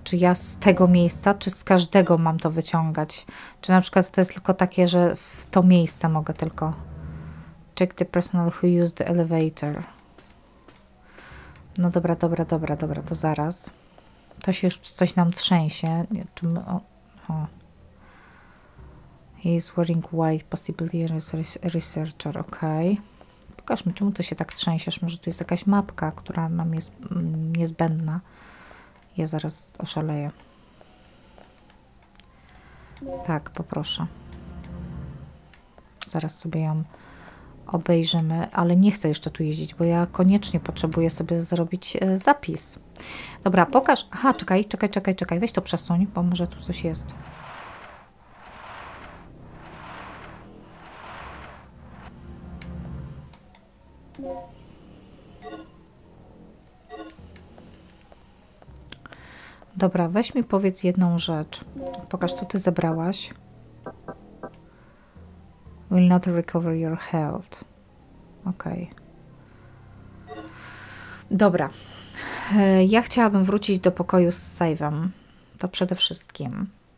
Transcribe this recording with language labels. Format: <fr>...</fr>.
<pl>Czy ja z tego miejsca, czy z każdego mam to wyciągać? Czy na przykład to jest tylko takie, że w to miejsce mogę tylko...</pl> <en>Check the personnel who used the elevator.</en> <pl>No dobra, dobra, dobra, dobra, to zaraz. To się już coś nam trzęsie. Czy my,</pl> <en>He is wearing white, possibly researcher, ok.</en> <pl>Pokażmy, czemu to się tak trzęsiesz. Może tu jest jakaś mapka, która nam jest niezbędna. Ja zaraz oszaleję. Tak, poproszę. Zaraz sobie ją obejrzymy, ale nie chcę jeszcze tu jeździć, bo ja koniecznie potrzebuję sobie zrobić zapis. Dobra, pokaż. Aha, czekaj, czekaj, czekaj, czekaj. Weź to przesuń, bo może tu coś jest. Dobra, weź mi powiedz jedną rzecz. Pokaż, co ty zebrałaś.</pl> <en>Will not recover your health.</en> <pl>Okej. Dobra. Ja chciałabym wrócić do pokoju z save'em. To przede wszystkim.</pl>